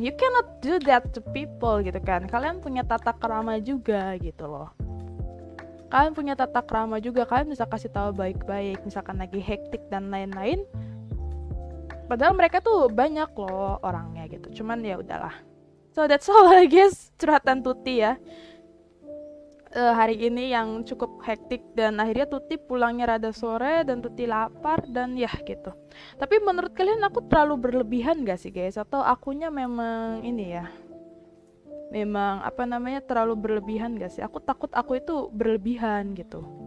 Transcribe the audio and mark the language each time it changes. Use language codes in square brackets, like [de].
[en] You cannot do that to people [id] gitu kan. Kalian punya tata krama juga gitu loh. Kalian punya tata krama juga. Kalian bisa kasih tahu baik-baik, misalkan lagi hektik dan lain-lain. Padahal mereka tuh banyak loh orangnya gitu. Cuman ya udahlah. [en] So that's all I guess [id] curhatan Tuti ya. Hari ini yang cukup hektik dan akhirnya Tuti pulangnya rada sore dan Tuti lapar dan ya gitu. Tapi menurut kalian aku terlalu berlebihan gak sih guys? Atau akunya memang ini ya, memang apa namanya, terlalu berlebihan gak sih? Aku takut aku itu berlebihan gitu.